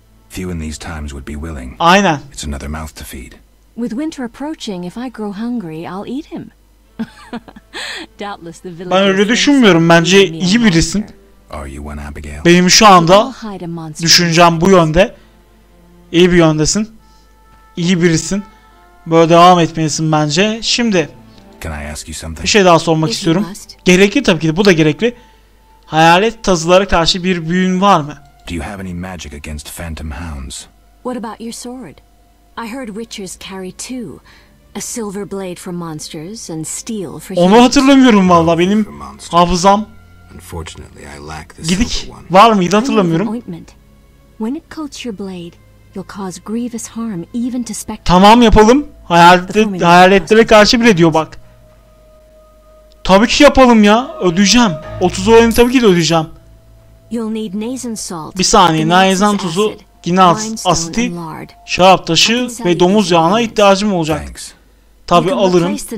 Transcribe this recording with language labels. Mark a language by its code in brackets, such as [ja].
[en] Few in these times would be willing. Aynen. It's another mouth to feed. With winter approaching, if I grow hungry, I'll eat him. Doubtless the villagers. [tr] Ben öyle düşünmüyorum. Bence iyi birisin. [en] Are you one, Abigail? [tr] Benim şu anda düşüncem bu yönde. İyi bir yöndesin. İyi birisin. Böyle devam etmelisin bence. Şimdi. [en] Can I ask you something? [tr] Bir şey daha sormak istiyorum. Gerekli tabii ki. Bu da gerekli. Hayalet tazılara karşı bir büyün var mı? [en] Do you have any magic against phantom hounds? What about your sword? I heard witchers carry two, a silver blade for monsters and steel for humans. [tr] Onu hatırlamıyorum vallahi, benim hafızam. [en] Unfortunately, I lack the silver one. [tr] Var mıydı, hatırlamıyorum. [en] When it cuts your blade, you'll cause grievous harm even to spectres. [tr] Tamam yapalım. Hayaletlere karşı bile diyor bak. Tabii ki yapalım ya. Ödeyeceğim. 30 oranı tabii ki de ödeyeceğim. [en] You'll need nasal salt. [tr] Bir saniye, nasal tuzu, ginaz asiti, şarap taşı ve domuz yağına ihtiyacım olacak. Tabii alırım.